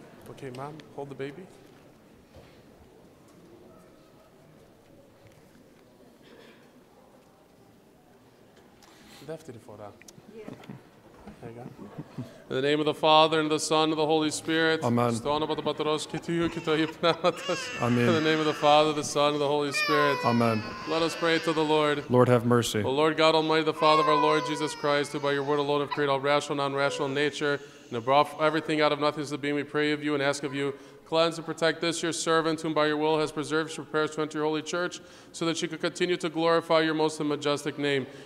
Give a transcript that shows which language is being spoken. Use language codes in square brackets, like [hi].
[en] Okay, Mom, hold the baby. [el] Δεύτερη φορά. [en] In the name of the Father, and the Son, and the Holy Spirit. Amen. [el] Στο όνομα του Πατρός και του Υιού και του Αγίου Πνεύματος. [en] Amen. In the name of the Father, the Son, and the Holy Spirit. Amen. Let us pray to the Lord. Lord, have mercy. O Lord God Almighty, the Father of our Lord Jesus Christ, who by your word alone have created all rational and non-rational nature, and have brought everything out of nothing to being, we pray of you and ask of you, cleanse and protect this, your servant, whom by your will has preserved, prepares to enter your holy church, so that she could continue to glorify your most and majestic name.